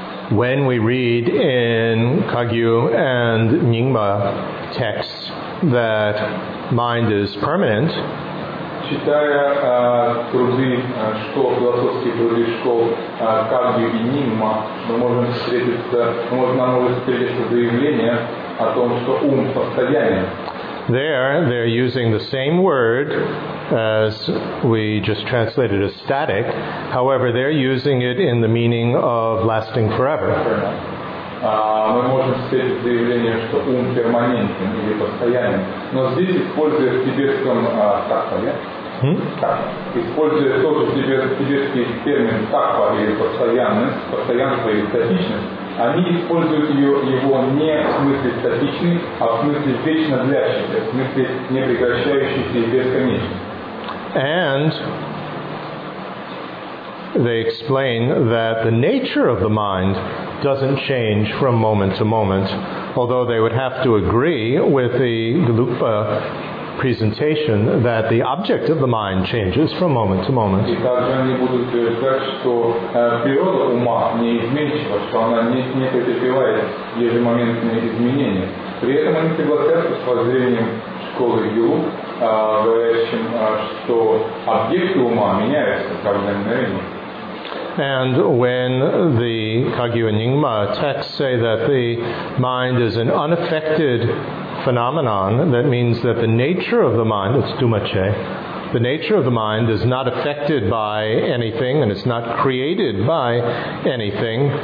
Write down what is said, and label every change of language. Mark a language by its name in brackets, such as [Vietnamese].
[English] When we read in Kagyu and Nyingma texts that mind is permanent, [Russian] читая труды школ, философские труды школ Кагью и Нингма, мы можем встретиться заявление о том, что ум постоянен. [English] There, they're using the same word as we just translated as static. However, they're using it in the meaning of lasting forever. [Russian] Мы можем встретить заявление, что ум перманентен или постоянен. Но здесь используя в тибетском такпа, да? Так. Используя тот же тибетский термин такпа или постоянность, постоянство или статичность, они используют его не в смысле статичный, а в смысле вечно длящийся, в смысле непрекращающийся и бесконечный. [English] And they explain that the nature of the mind doesn't change from moment to moment, although they would have to agree with the Gelugpa presentation that the object of the mind changes from moment to moment. [Russian] И также они будут утверждать, что природа ума не изменчива, что она не претерпевает ежемоментные изменения. При этом они согласятся с воззрением школы Ю, говорящим, что объекты ума меняются каждое мгновение. [English] And when the Kagyu and Nyingma texts say that the mind is an unaffected phenomenon, that means that the nature of the mind, it's Dumache, the nature of the mind is not affected by anything and it's not created by anything.